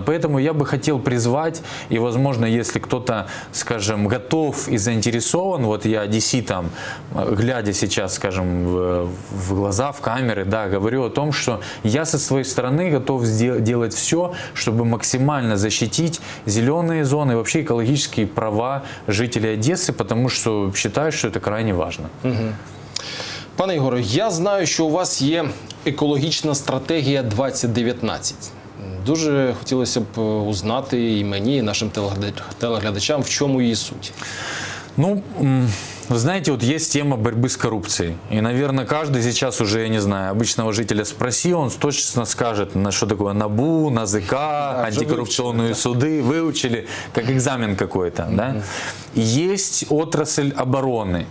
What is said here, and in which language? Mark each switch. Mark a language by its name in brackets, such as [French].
[Russian] Поэтому я бы хотел призвать, и, возможно, если кто-то, скажем, готов и заинтересован, вот я одесситам, глядя сейчас, скажем, в глаза, в камеры, да, говорю о том, что я со своей стороны готов делать все, чтобы максимально защитить зеленые зоны, вообще экологические права жителей Одессы, потому что считаю, что это крайне важно. Угу. [Ukrainian] Пане Ігоре, я знаю, что у вас є екологічна стратегія 2019. Дуже хотілося б узнати і мені, і нашим телеглядачам, в чому її суть. [Russian] Ну, вы знаете, вот есть тема борьбы с коррупцией. И, наверное, каждый сейчас уже, я не знаю, обычного жителя спроси, он точно скажет, на что такое НАБУ, НАЗК, да, антикоррупционные выучили, суды, да. Выучили, как экзамен какой-то. Да? Есть отрасль обороны.